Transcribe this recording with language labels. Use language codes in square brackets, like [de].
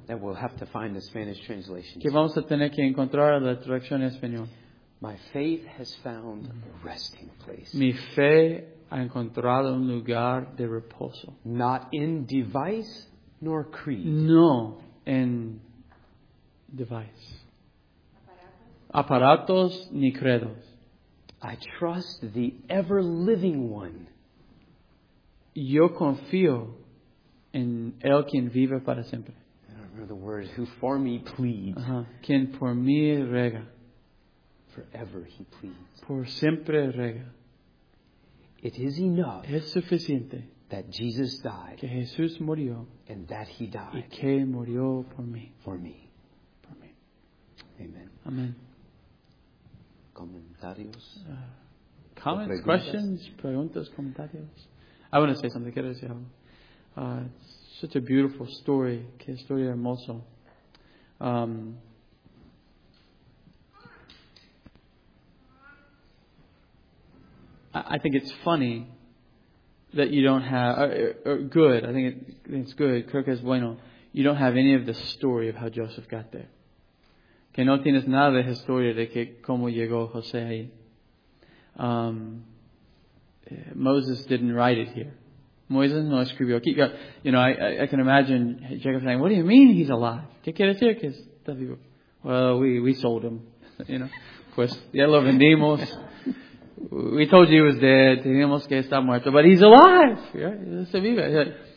[en] That we'll have to find the Spanish translation. [es] Que vamos a tener que encontrar la traducción en español. [en] My faith has found a resting place. [es] Mi fe ha encontrado un lugar de reposo. [en] Not in device nor creed. [es] No. En device. Aparatos ni credos. [en] I trust the ever-living one. [es] Yo confío en el quien vive para siempre. [en] I don't remember the word, who for me pleads. [es] Quien por mí rega. [en] Forever he pleads. [es] Por siempre rega. [en] It is enough. [es] Es suficiente. [en] That Jesus died. [es] Que Jesús murió. [en] And that he died. Y que murió por mí. For me. For me. Amen. Amen. [es] Comentarios. [en] Comments, [es] preguntas? [en] Questions, [es] preguntas, comentarios. [en] I want to say something. [es] Quiero decir algo. [en] Such a beautiful story. [es] Que historia hermosa. [en] I think it's funny. That you don't have, good, I think it's good, [es] creo que es bueno, [en] you don't have any of the story of how Joseph got there. [es] Que no tienes nada de historia de que cómo llegó José ahí. [en] Moses didn't write it here. [es] Moses no escribió aquí. [en] You know, I can imagine Jacob saying, "What do you mean he's alive? [es] ¿Qué quiere decir que está vivo?" [en] Well, we sold him, you know. [es] Pues ya lo vendimos. [en] We told you he was dead. [es] Teníamos que estar muerto. [en] But he's alive. Yeah, [es] se vive.